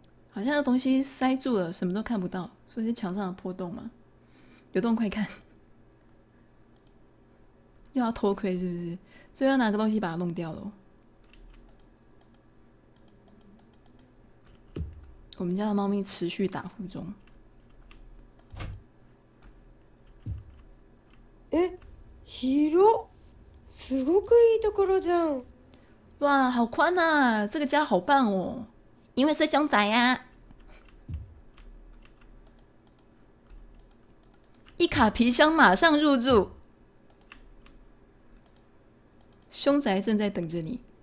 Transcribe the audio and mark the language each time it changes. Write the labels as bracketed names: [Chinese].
[Chinese] 好像有东西塞住了，什么都看不到。所以是墙上的破洞吗？有洞快看。又要偷窥是不是？所以要拿个东西把它弄掉了。我们家的猫咪持续打呼中。 [Japanese] え、広、すごくいいところじゃん。 [Chinese] 哇，好宽啊！这个家好棒哦，因为是凶宅啊。一卡皮箱马上入住，凶宅正在等着你。